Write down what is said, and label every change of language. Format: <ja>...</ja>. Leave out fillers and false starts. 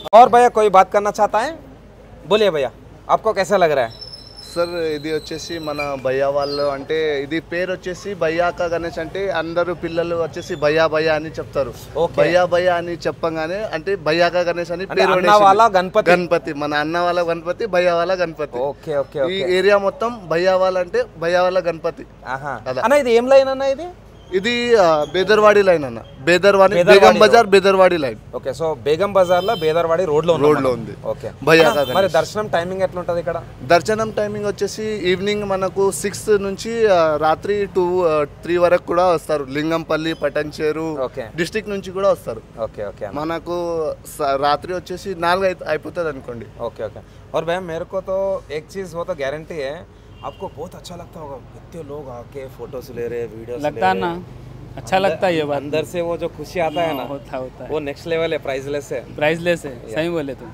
<hi>और भैया कोई बात करना चाहता है बोलिए। भैया आपको कैसा लग रहा है?</hi> <te>సార్ ఇది వచ్చేసి మన భయ్య వాళ్ళు అంటే ఇది పేరు వచ్చేసి భయ్యాక గణేష్ అంటే అందరు పిల్లలు వచ్చేసి భయ్య భయ అని చెప్తారు. భయ్య భయ అని చెప్పగానే అంటే భయ్యాక గణేష్ అని పేరు. గణపతి మన అన్న వాళ్ళ గణపతి, భయ్య వాళ్ళ గణపతి. ఓకే ఓకే, ఈ ఏరియా మొత్తం భయ్య వాళ్ళ అంటే భయ్య వాళ్ళ గణపతి. ఇది ఏం లైన్ అన్న? ఇది బేదర్వాడి లైన్ అన్న. బేదర్వాడి Begum Bazar, బేదర్వాడి line. Okay, so Begum Bazar లో బేదర్వాడి రోడ్ లో రోడ్ లో ఉంది. ఓకే, భయ్యా కదా. మరి దర్శనం టైమింగ్ ఎట్లా ఉంటది ఇక్కడ? దర్శనం టైమింగ్ వచ్చేసి ఈవినింగ్ మనకు 6 నుంచి రాత్రి 2-3 వరకు కూడా వస్తారు. లింగంపల్లి, పటంచేరు డిస్టిక్ నుంచి కూడా వస్తారు. ఓకే ఓకే, మనకు రాత్రి వచ్చేసి 4 అయిపోతుంది అనుకోండి. Okay okay.</te> <hi>ఓర్ భయ్యా మేరకోతో ఏక్ చీజ్ వో తో గ్యారెంటీ హై आपको बहुत अच्छा लगता होगा, कितने लोग आके फोटोस ले रहे, वीडियोस लगता ना अच्छा लगता है ये बात। अंदर से वो जो खुशी आता है ना होता है वो नेक्स्ट लेवल है, प्राइसलेस है। सही बोले तुम।</hi>